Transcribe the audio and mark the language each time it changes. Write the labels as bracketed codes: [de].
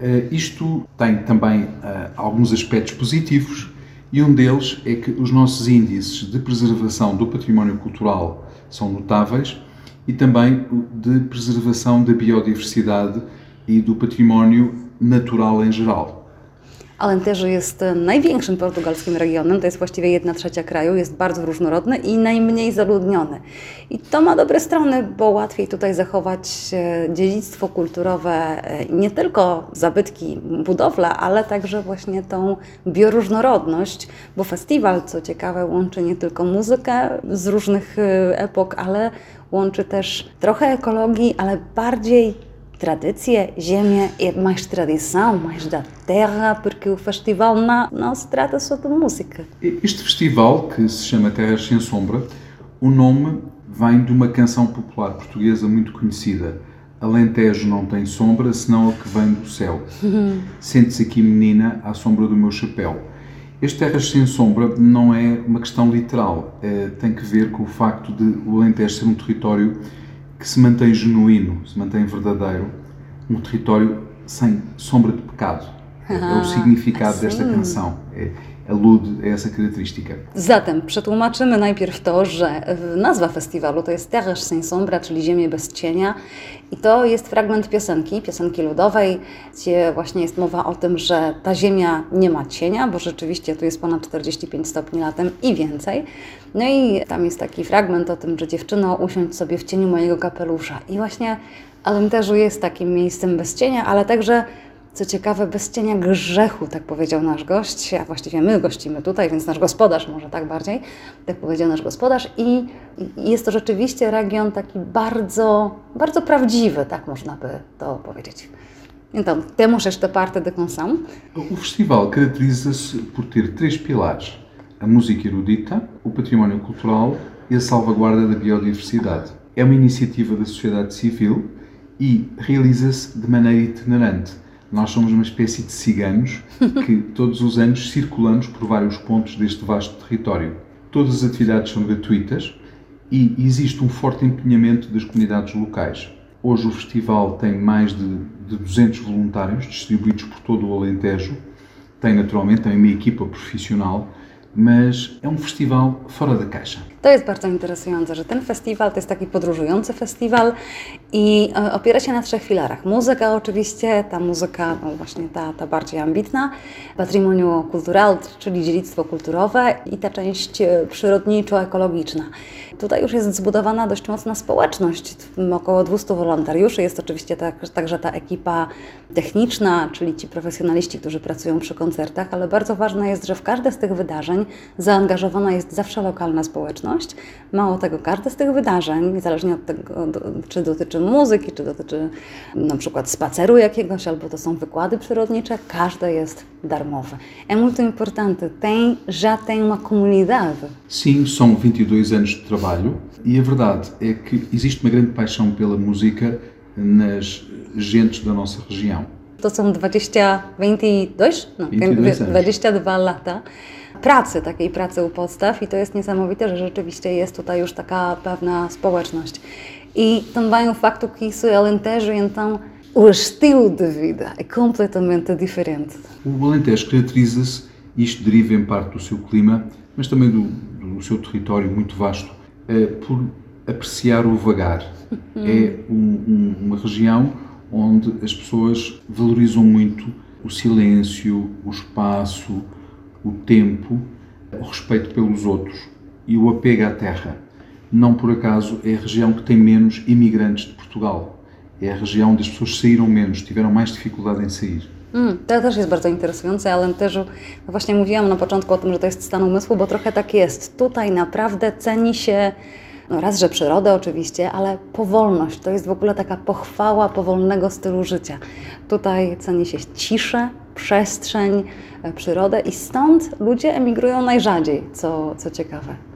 [pt] Isto tem também alguns aspectos positivos, e um deles é que os nossos índices de preservação do património cultural são notáveis e também de preservação da biodiversidade e do património natural em geral. [pl] Alentejo jest największym portugalskim regionem, to jest właściwie 1/3 kraju, jest bardzo różnorodny i najmniej zaludniony. I to ma dobre strony, bo łatwiej tutaj zachować dziedzictwo kulturowe, nie tylko zabytki, budowle, ale także właśnie tą bioróżnorodność, bo festiwal, co ciekawe, łączy nie tylko muzykę z różnych epok, ale łączy też trochę ekologii, ale bardziej tradycje, ziemię [pt] e mais tradição, mais da terra, porque o festival não se trata só de música. [pl] Este festival, que se chama Terras Sem Sombra, o nome vem de uma canção popular portuguesa muito conhecida: Alentejo não tem sombra, senão a que vem do céu. Sente-se aqui, menina, à sombra do meu chapéu. Este Terras Sem Sombra não é uma questão literal, tem que ver com o facto de o Alentejo ser um território que se mantém genuíno, se mantém verdadeiro, um território sem sombra de pecado. [pt] É o Ah, significado desta assim. canção. Alude a essa característica. [pl] Zatem przetłumaczymy najpierw to, że nazwa festiwalu to jest Terras sem sombra, czyli Ziemię bez cienia. I to jest fragment piosenki ludowej, gdzie właśnie jest mowa o tym, że ta ziemia nie ma cienia, bo rzeczywiście tu jest ponad 45 stopni latem i więcej. No i tam jest taki fragment o tym, że dziewczyno, usiądź sobie w cieniu mojego kapelusza. I właśnie Alentejo jest takim miejscem bez cienia, ale także, co ciekawe, bez cienia grzechu, tak powiedział nasz gość, a właściwie my gościmy tutaj, więc nasz gospodarz może tak bardziej, tak powiedział nasz gospodarz i jest to rzeczywiście region taki bardzo, bardzo prawdziwy, tak można by to powiedzieć. [pt] Então, temos esta parte de canção. O festival caracteriza-se por ter três pilares: a música erudita, o património cultural e a salvaguarda da biodiversidade. É uma iniciativa da sociedade civil e realiza-se de maneira itinerante. Nós somos uma espécie de ciganos que todos os anos circulamos por vários pontos deste vasto território. Todas as atividades são gratuitas e existe um forte empenhamento das comunidades locais. Hoje o festival tem mais de 200 voluntários distribuídos por todo o Alentejo. Tem naturalmente uma equipa profissional, mas é um festival fora da caixa. [pl] To jest bardzo interesujące, że ten festiwal to jest taki podróżujący festiwal i opiera się na trzech filarach. Muzyka oczywiście, ta muzyka, no właśnie ta bardziej ambitna, patrimonio cultural, czyli dziedzictwo kulturowe i ta część przyrodniczo-ekologiczna. Tutaj już jest zbudowana dość mocna społeczność, około 200 wolontariuszy, jest oczywiście także ta ekipa techniczna, czyli ci profesjonaliści, którzy pracują przy koncertach, ale bardzo ważne jest, że w każde z tych wydarzeń zaangażowana jest zawsze lokalna społeczność. Mało tego, każde z tych wydarzeń, niezależnie od tego, czy dotyczy muzyki, czy dotyczy na przykład spaceru jakiegoś, albo to są wykłady przyrodnicze, każde jest darmowe. [pt] É muito importante, já tem uma comunidade. Sim, são 22 anos de trabalho e a verdade é que existe uma grande paixão pela música nas gentes da nossa região. [pl] To são 20, 22? [pt] Não, 22 anos. [pl] 22 lata. Pracy, takiej pracy u podstaw, i to jest niesamowite, że rzeczywiście jest tutaj już taka pewna społeczność. [pt] I também o facto que isso é Alentejo, então o estilo de vida é completamente diferente. O Alentejo caracteriza-se, isto deriva em parte do seu clima, mas também do seu território muito vasto, por apreciar o vagar. É uma região onde as pessoas valorizam muito o silêncio, o espaço, o tempo, o respeito pelos outros e o apego à terra. Não por acaso é a região que tem menos imigrantes de Portugal. É a região onde as pessoas saíram menos, tiveram mais dificuldade em sair. [pl] To też jest bardzo interesujące, Alentejo, właśnie mówiłam na początku o tym, że to jest stan umysłu, bo trochę tak jest. Tutaj naprawdę ceni się, no raz, że przyrodę oczywiście, ale powolność. To jest w ogóle taka pochwała powolnego stylu życia. Tutaj ceni się ciszę, przestrzeń, przyrodę i stąd ludzie emigrują najrzadziej, co ciekawe.